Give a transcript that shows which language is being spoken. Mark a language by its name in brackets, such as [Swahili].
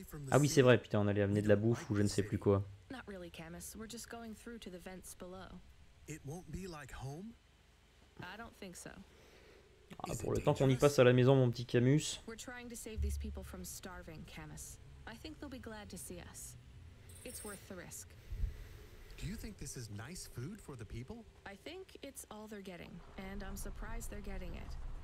[French] Ah oui, c'est vrai, putain, on allait amener de la bouffe ou je ne sais plus quoi. [English] Not really, Camus. We're just going through to the vents below. It won't be like home? I don't think so. [French] Ah, pour le temps qu'on y passe à la maison, mon petit Camus. [English] We're trying to save these people from starving, Camus. I think they'll be glad to see us. It's worth the risk. Do you think this is nice food for the people? I think it's all they're getting, and I'm surprised they're getting it.